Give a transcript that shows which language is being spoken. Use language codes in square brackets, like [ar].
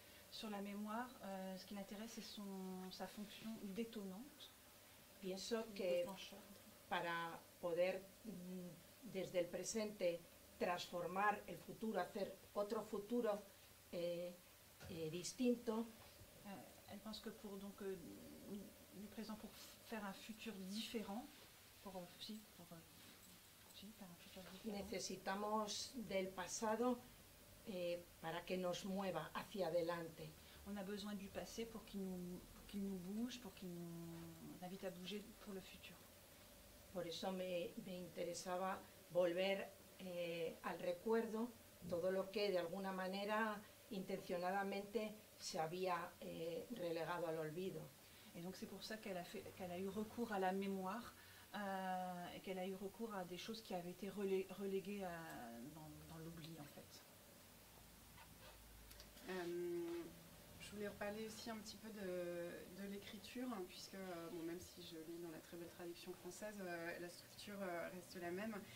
[fr] Sur la mémoire, ce qui m'intéresse, c'est sa fonction détonante. [es] Pienso que para poder desde el presente transformar el futuro, hacer otro futuro distinto. [fr] Elle pense que pour donc du présent pour faire un futur différent, un futur différent. [es] Necesitamos del pasado para que nos mueva hacia adelante. [fr] On a besoin du passé pour qu'il nous bouge, pour qu'il nous invite à bouger pour le futur. [es] Por eso me interesaba volver al recuerdo todo lo que de alguna manera intencionadamente se había relegado al olvido. [fr] Et donc c'est pour ça qu'elle a eu recours à la mémoire et qu'elle a eu recours à des choses qui avaient été reléguées dans l'oubli en fait. Je voulais reparler aussi un petit peu de l'écriture, hein, puisque bon, même si je lis dans la très belle traduction française, la structure reste la même.